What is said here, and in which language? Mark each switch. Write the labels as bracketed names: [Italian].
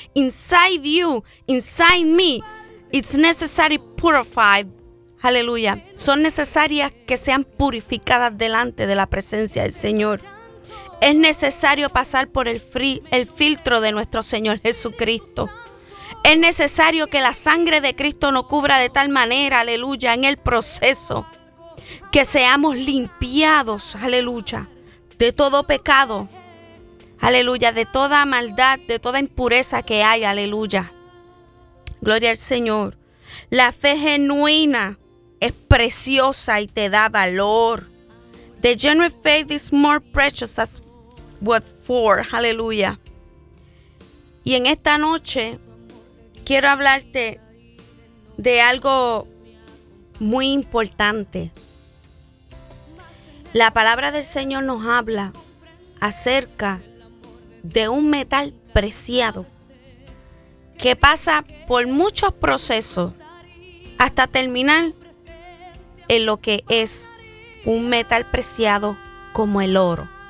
[English] Inside you, inside me, it's necessary to purify, aleluya. [Spanish] Son necesarias que sean purificadas delante de la presencia del Señor. Es necesario pasar por el filtro de nuestro Señor Jesucristo. Es necesario que la sangre de Cristo nos cubra de tal manera, aleluya, en el proceso, que seamos limpiados, aleluya, de todo pecado, aleluya, de toda maldad, de toda impureza que hay, aleluya. Gloria al Señor. La fe genuina es preciosa y te da valor. [English] The genuine faith is more precious as what for, aleluya. [Spanish] Y en esta noche quiero hablarte de algo muy importante. La palabra del Señor nos habla acerca de un metal preciado que pasa por muchos procesos hasta terminar en lo que es un metal preciado como el oro.